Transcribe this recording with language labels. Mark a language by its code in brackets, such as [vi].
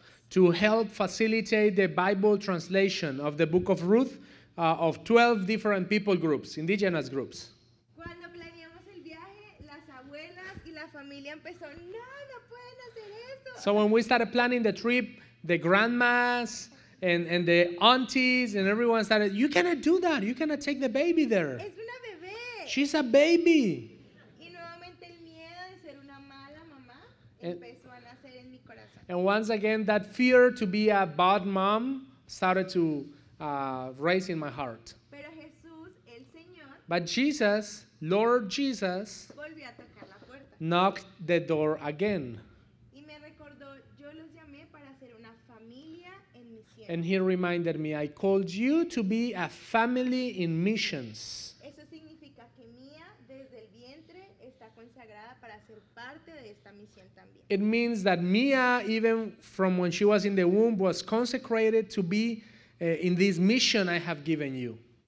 [en] To help facilitate the Bible translation of the book of Ruth of 12 different people groups, indigenous groups. [es] Cuando planeamos el viaje, las abuelas y la familia empezó, no, no pueden hacer esto. [en] So when we started planning the trip, the grandmas and the aunties and everyone started, you cannot do that, you cannot take the baby there. [es] Es una bebé. [en] She's a baby. [es] Y nuevamente el miedo de ser una mala mamá empezó. [en] And once again, that fear to be a bad mom started to rise in my heart. [es] Pero Jesús, el Señor, [en] but Jesus, Lord Jesus, [es] volvió a tocar la puerta. [en] Knocked the door again. [es] Y me recordó, yo los llamé para hacer una familia en misión. [en] And he reminded me, I called you to be a family in missions. [es] Eso significa que Mía, desde el vientre, está consagrada para ser parte de esta misión también. [en] It means that Mia, even from when she was in the womb, was consecrated to be in this mission I have given you.